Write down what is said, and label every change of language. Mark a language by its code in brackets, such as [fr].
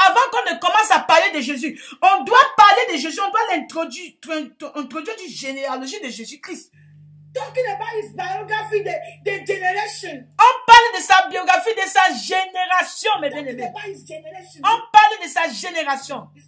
[fr] Avant qu'on ne commence à parler de Jésus, on doit parler de Jésus. On doit introduire du généalogie de Jésus-Christ. [en] Talking about his biography, the generation. [fr] On parle de sa biographie, de sa génération, mes bien-aimés. On parle de sa génération.